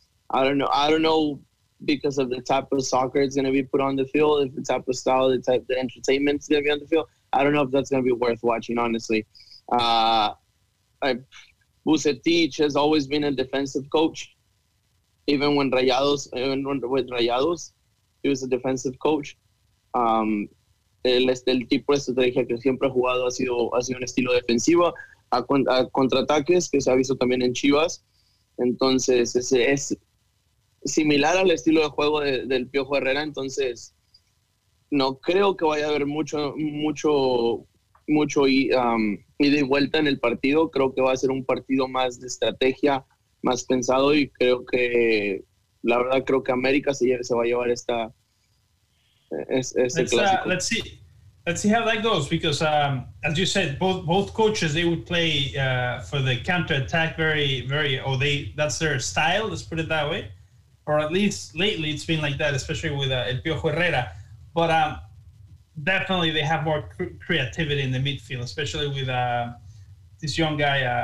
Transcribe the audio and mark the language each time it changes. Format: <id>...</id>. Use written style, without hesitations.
<en>I don't know. Because of the type of soccer it's going to be put on the field, if the type of style, the type of entertainment's going to be on the field, I don't know if that's going to be worth watching, honestly. Bucetich has always been a defensive coach. Even with Rayados, he was a defensive coach.</en> <es>El tipo de estrategia que siempre ha jugado ha sido un estilo defensivo, a contraataques, que se ha visto también en Chivas. Entonces, es similar al estilo de juego del Piojo Herrera, entonces no creo que vaya a haber mucho y de vuelta en el partido. Creo que va a ser un partido más de estrategia, más pensado, y creo que, la verdad, creo que América se va a llevar este clásico.</es> <en>Let's see how that goes, because as you said, both coaches, they would play for the counterattack very, that's their style, let's put it that way. Or at least lately, it's been like that, especially with El Piojo Herrera. But definitely, they have more creativity in the midfield, especially with this young guy.</en>